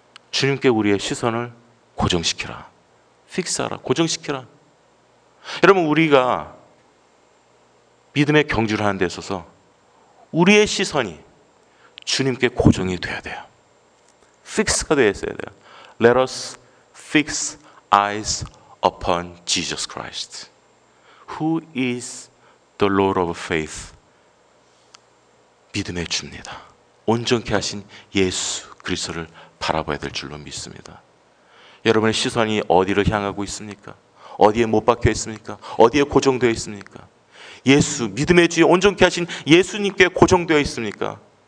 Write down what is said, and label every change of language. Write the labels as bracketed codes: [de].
[ko] 주님께 우리의 시선을 고정시키라. Fix하라. 고정시키라. 여러분 우리가 믿음의 경주를 하는 데 있어서 우리의 시선이 주님께 고정이 돼야 돼요. Fix가 돼 있어야 돼요. [en] Let us fix eyes upon Jesus Christ, who is the Lord of faith. [ko] 믿음의 주입니다. 온전케 하신 예수 그리스도를 바라봐야 될 줄로 믿습니다. 여러분의 시선이 어디를 향하고 있습니까? 어디에 못 박혀 있습니까? 어디에 고정되어 있습니까? 예수, 믿음의 주의 온전케 하신 예수님께 고정되어 있습니까?